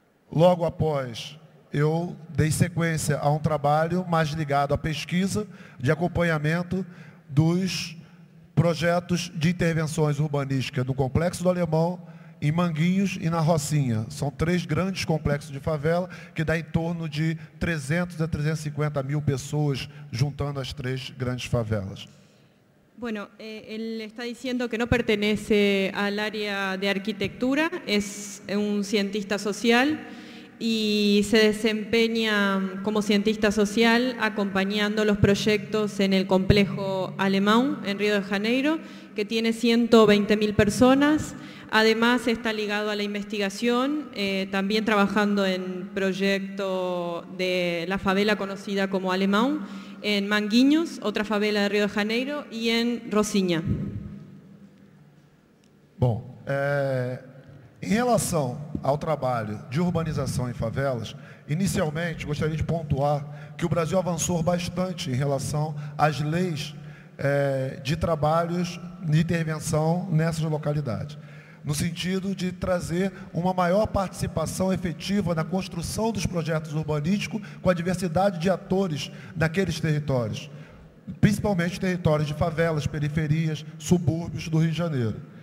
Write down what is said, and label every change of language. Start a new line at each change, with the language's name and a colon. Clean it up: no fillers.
Portuguese: Logo após, eu dei sequência a um trabalho mais ligado à pesquisa de acompanhamento dos projetos de intervenções urbanísticas no Complexo do Alemão, em Manguinhos e na Rocinha. São 3 grandes complexos de favela, que dá em torno de 300 a 350 mil pessoas, juntando as 3 grandes favelas.
Spanish: Bueno, él está diciendo que no pertenece al área de arquitectura, es un cientista social y se desempeña como cientista social acompañando los proyectos en el complejo Alemão, en Río de Janeiro, que tiene 120 mil personas, Además, está ligado a la investigación, también trabajando en proyecto de la favela conocida como Alemão, en Manguinhos, otra favela de Río de Janeiro, y en Rocinha.
Portuguese: Bom, em relação ao trabalho de urbanização em favelas, inicialmente gostaria de pontuar que o Brasil avançou bastante em relação às leis de trabalhos de intervenção nessas localidades, no sentido de trazer uma maior participação efetiva na construção dos projetos urbanísticos com a diversidade de atores naqueles territórios, principalmente territórios de favelas, periferias, subúrbios do Rio de Janeiro.